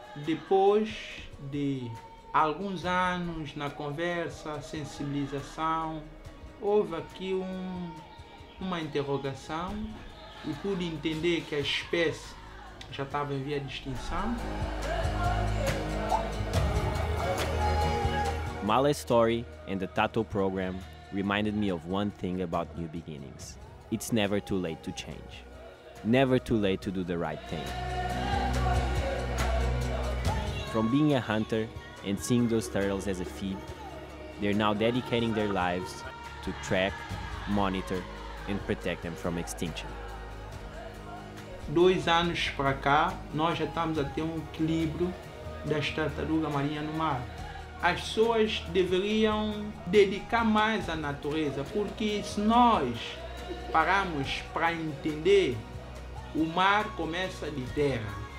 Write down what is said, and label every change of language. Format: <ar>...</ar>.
<pt>Depois de alguns anos na conversa, sensibilização, houve aqui uma interrogação e pude entender que a espécie já estava em via de extinção.</pt> <en>Male's story and the Tato program reminded me of one thing about new beginnings. It's never too late to change. Never too late to do the right thing. From being a hunter and seeing those turtles as a feed, they're now dedicating their lives to track, monitor, and protect them from extinction.</en> <pt>2 anos para cá, nós já estamos a ter equilíbrio das tartarugas marinhas no mar. As pessoas deveriam dedicar mais à natureza, porque se nós pararmos para entender, o mar começa de terra.</pt>